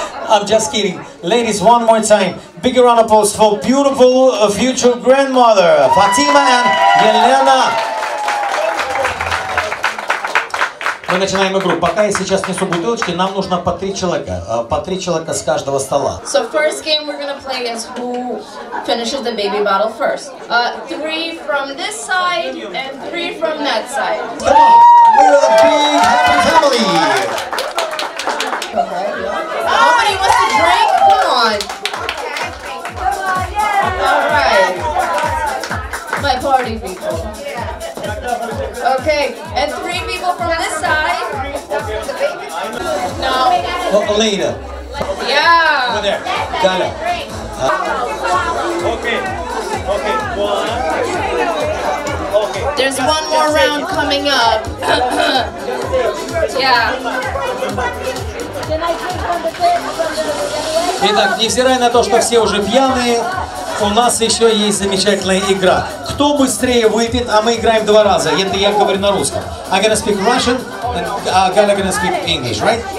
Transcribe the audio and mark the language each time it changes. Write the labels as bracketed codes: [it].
[en] I'm just kidding. Ladies, one more time. Big round of applause for beautiful future grandmother, Fatima and Yelena. [ru] Мы начинаем игру. Пока я сейчас несу бутылочки, нам нужно по три человека. По три человека с каждого стола. [en] So first game we're gonna play is who finishes the baby bottle first. Three from this side and three from that side. Come on! We're a big happy family! Nobody wants to drink? Come on! Come on, yeah! Alright. My party people. Okay, and three people from this side. No. Later. Yeah. Over there. Got it. Okay. One. There's one more round coming up. Yeah. [ru] Итак, невзирая на то, что все уже пьяные, у нас еще есть замечательная игра. Кто быстрее выпьет, а мы играем два раза. Это я говорю на русском. [en] I'm gonna speak Russian, Galia gonna speak English, right?